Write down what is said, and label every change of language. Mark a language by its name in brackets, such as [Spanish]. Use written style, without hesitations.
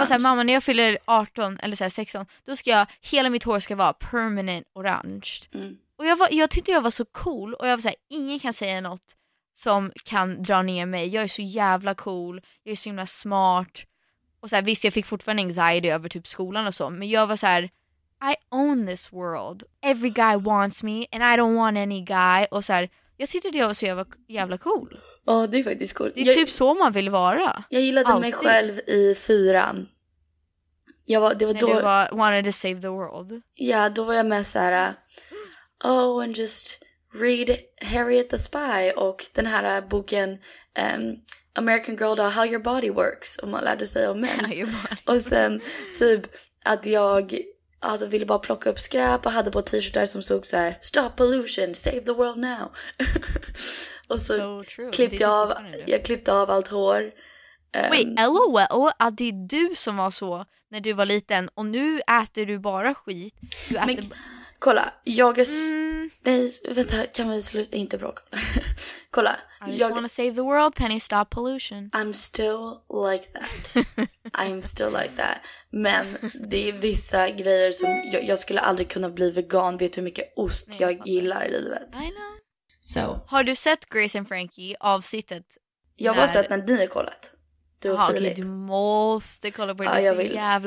[Swedish] Jag var såhär, mamma, när jag fyller 18 eller såhär 16, då ska jag, hela mitt hår ska vara permanent orange. Och jag tyckte jag var så cool. Och jag var såhär, ingen kan säga något som kan dra ner mig. Jag är så jävla cool. Jag är så himla smart. Och så här, visst, jag fick fortfarande anxiety över typ skolan och så. Men jag var så här, [English] I own this world. Every guy wants me and I don't want any guy. [Swedish] Och så här, jag tyckte att jag var så jävla cool. Ja, oh, det är faktiskt cool. Det är typ så man vill vara. Jag gillade alltid mig själv i fyran. Du var, [English] wanted to save the world. [Swedish] Ja, då var jag med så här, [English] and just read [Swedish] Harriet the Spy och den här boken American Girl Doll, How Your Body Works, om man lärde sig om mens. Och sen typ att jag alltså ville bara plocka upp skräp och hade på t-shirtar som såg så här: [English] stop pollution, save the world now. [Swedish] Och så klippte jag av allt hår. [English] Wait, [Swedish] LOL, att det är du som var så när du var liten och nu äter du bara skit. Du äter... Men kolla, jag är... Nej, vänta, kan vi sluta? Inte bra. Kolla. [English] I just want to save the world, Penny, stop pollution. I'm still like that. I'm still like that. [Swedish] Men det är vissa grejer som... Jag skulle aldrig kunna bli vegan. Vet hur mycket ost jag gillar i livet. [English] I know. So. [Swedish] Har du sett Grace and Frankie avsnittet? Jag har sett när ni har kollat. Du måste kolla på det. Ja,